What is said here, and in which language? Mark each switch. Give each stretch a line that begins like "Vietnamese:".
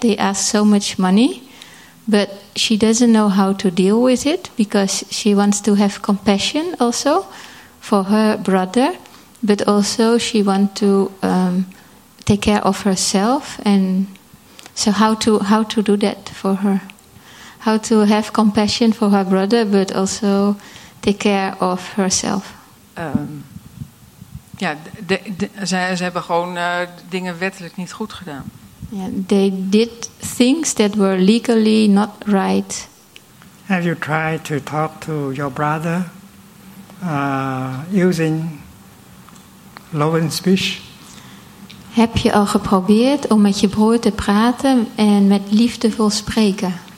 English: They ask so much money. But she doesn't know how to deal with it because she wants to have compassion also for her brother. But also she wants to take care of herself. And so how to do that for her? How to have compassion for her brother but also take care of herself?
Dutch: Ja, ze hebben gewoon dingen wettelijk niet goed gedaan.
English: Yeah, they did things that were legally not right. Have you tried to talk to your brother using low and speech?
Dutch: Heb je al geprobeerd om met je broer te praten en met liefdevol spreken?